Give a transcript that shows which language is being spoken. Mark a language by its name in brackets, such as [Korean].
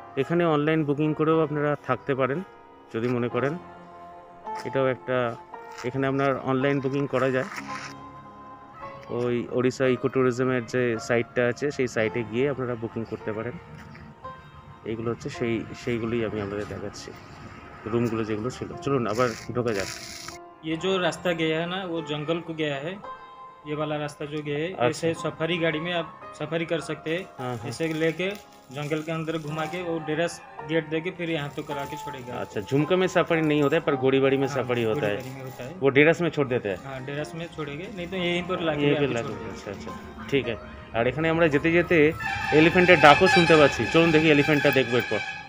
[Bangla] এখানে online booking করেও আপনারা থাকতে পারেন যদি মনে করেন, এটাও একটা এখানে আপনার অনলাইন বুকিং করা যায়। ওই ওড়িশা ইকো ট্যুরিজমের যে সাইটটা আছে সেই সাইটে গিয়ে আপনারা বুকিং করতে পারেন। এইগুলো হচ্ছে সেইগুলোই আমি আপনাদের দেখাচ্ছি, রুমগুলো যেগুলো ছিল। চলুন আবার ঢোকে যাক। [Hindi] ইয়ে যে রাস্তা গিয়া হ্যাঁ না, ও জঙ্গল কু গিয়া হ্যাঁ, ये वाला रास्ता जो गया है, ऐसे सफारी गाड़ी में आप सफारी कर सकते हैं, ऐसे लेके जंगल के अंदर घुमा के वो डेरस गेट देके फिर यहाँ तो करा के छोड़ेगा। अच्छा, झुमका में सफारी नहीं होता है पर घोड़ीबाड़ी में सफारी होता है, वो डेरस में छोड़ देते हैं। हाँ, डेरस में छोड़ेंगे, नहीं तो यहीं पर लागे। अच्छा अच्छा, ठीक है। [Bangla] और এখানে আমরা যেতে যেতে এলিফ্যান্টের ডাকও শুনতে পাচ্ছি, চলুন দেখি এলিফ্যান্টটা দেখব একবার।